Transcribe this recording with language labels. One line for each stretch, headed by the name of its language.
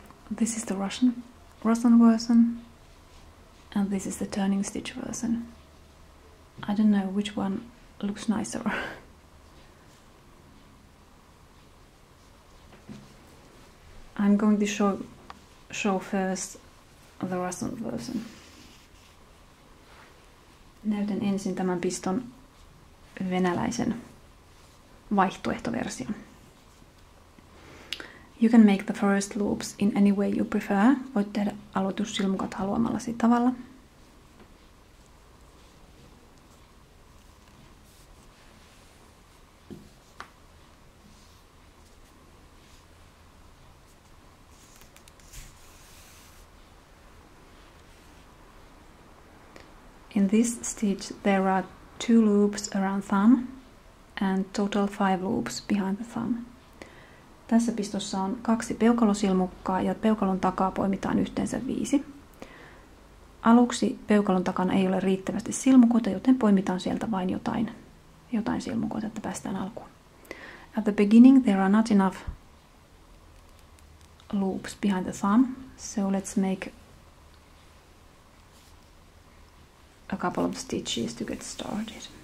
English: This is the Russian version, and this is the turning stitch version. I don't know which one looks nicer. I'm going to show first the Russian version.
Finnish: Näytän ensin tämän piston venäläisen vaihtoehtoversion.
English: You can make the first loops in any way you prefer.
Finnish: Voit tehdä aloitussilmukat haluamallasi tavalla.
English: In this stitch there are two loops around thumb and total five loops behind the thumb.
Finnish: Tässä pistossa on kaksi peukalosilmukkaa ja peukalon takaa poimitaan yhteensä viisi. Aluksi peukalon takana ei ole riittävästi silmukoita, joten poimitaan sieltä vain jotain silmukoita, että päästään alkuun.
English: At the beginning there are not enough loops behind the thumb, so let's make a couple of stitches to get started.